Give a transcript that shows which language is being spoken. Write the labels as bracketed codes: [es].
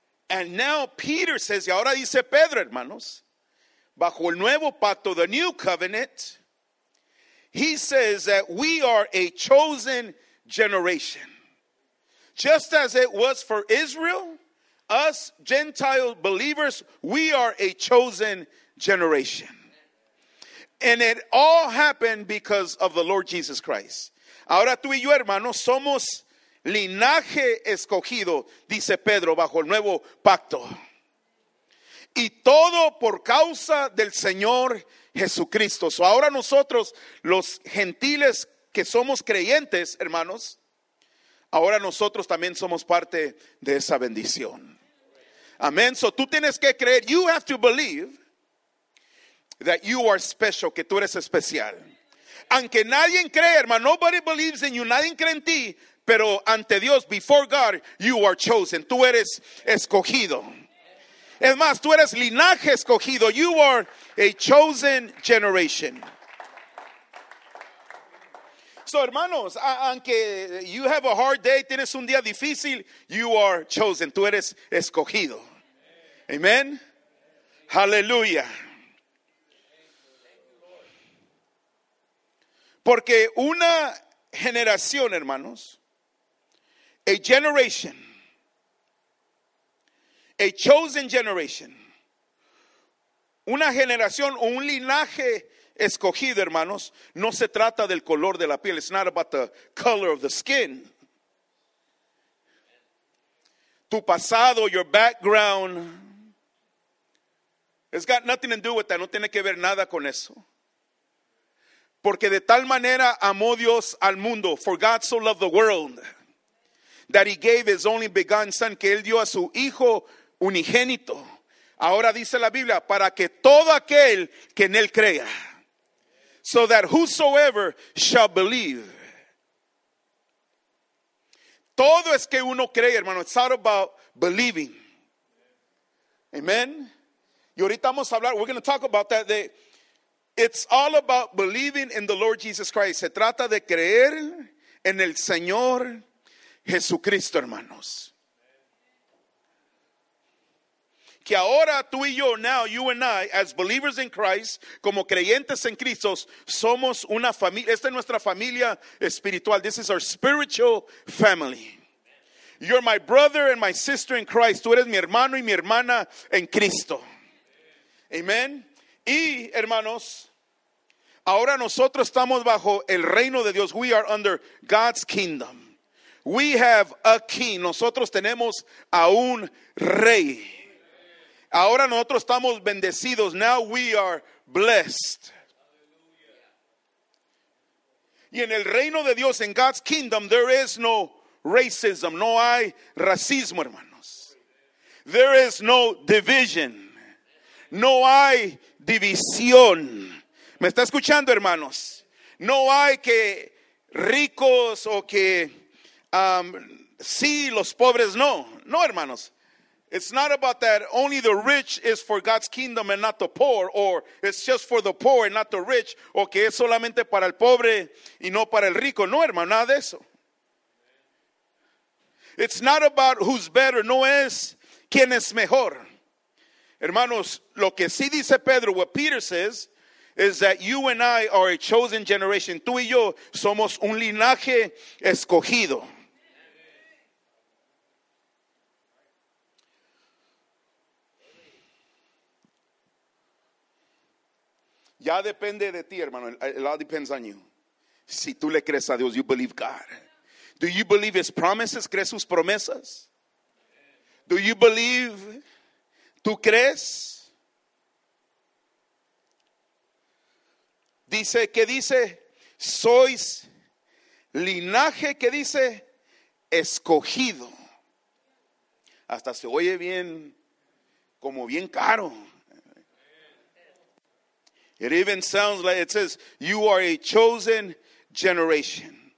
[en] And now Peter says, [es] y ahora dice Pedro, hermanos, bajo el nuevo pacto, [en] the new covenant, he says that we are a chosen generation. Just as it was for Israel, us Gentile believers, we are a chosen generation. And it all happened because of the Lord Jesus Christ. [es] Ahora tú y yo, hermanos, somos linaje escogido, dice Pedro, bajo el nuevo pacto. Y todo por causa del Señor Jesucristo. So ahora nosotros, los gentiles que somos creyentes, hermanos, ahora nosotros también somos parte de esa bendición. Amén. So tú tienes que creer, [en] you have to believe that you are special, [es] que tú eres especial. Aunque nadie cree, hermano, [en] nobody believes in you, [es] nadie cree en ti. Pero ante Dios, [en] before God, you are chosen. [es] Tú eres escogido. Es más, tú eres linaje escogido. [en] You are a chosen generation. So, [es] hermanos, aunque [en] you have a hard day, [es] tienes un día difícil, [en] you are chosen. [es] Tú eres escogido. Amen. Hallelujah. Porque una generación, hermanos, [en] a generation, a chosen generation, [es] una generación o un linaje escogido, hermanos, no se trata del color de la piel. [en] It's not about the color of the skin. [es] Tu pasado, [en] your background, it's got nothing to do with that. [es] No tiene que ver nada con eso. Porque de tal manera amó Dios al mundo. [en] For God so loved the world that he gave his only begotten son, [es] que él dio a su hijo unigénito. Ahora dice la Biblia, para que todo aquel que en él crea, [en] so that whosoever shall believe. [es] Todo es que uno cree, hermano. [en] It's not about believing. Amen. [es] Y ahorita vamos a hablar, [en] we're going to talk about that. It's all about believing in the Lord Jesus Christ. [es] Se trata de creer en el Señor Jesucristo, hermanos. Que ahora tú y yo, [en] now you and I, as believers in Christ, [es] como creyentes en Cristo, somos una familia. Esta es nuestra familia espiritual. [en] This is our spiritual family. You're my brother and my sister in Christ. [es] Tú eres mi hermano y mi hermana en Cristo. Amen. Y hermanos, ahora nosotros estamos bajo el reino de Dios. [en] We are under God's kingdom. We have a king. [es] Nosotros tenemos a un rey. Ahora nosotros estamos bendecidos. [en] Now we are blessed. [es] Y en el reino de Dios, en [en] God's kingdom, there is no racism. [es] No hay racismo, hermanos. [en] There is no division. [es] No hay división. ¿Me está escuchando, hermanos? No hay que ricos o que sí, los pobres, no. No, hermanos. [en] It's not about that only the rich is for God's kingdom and not the poor, or it's just for the poor and not the rich, [es] o que es solamente para el pobre y no para el rico. No, hermano, nada de eso. [en] It's not about who's better. [es] No es quién es mejor. Hermanos, lo que sí dice Pedro, [en] what Peter says, is that you and I are a chosen generation. [es] Tú y yo somos un linaje escogido. Ya depende de ti, hermano. [en] It all depends on you. [es] Si tú le crees a Dios, [en] you believe God. Do you believe his promises? [es] ¿Crees sus promesas? [en] Do you believe? [es] ¿Tú crees? Dice, ¿qué dice? Sois linaje, ¿qué dice? Escogido. Hasta se oye bien, como bien caro. [en] It even sounds like it says, you are a chosen generation.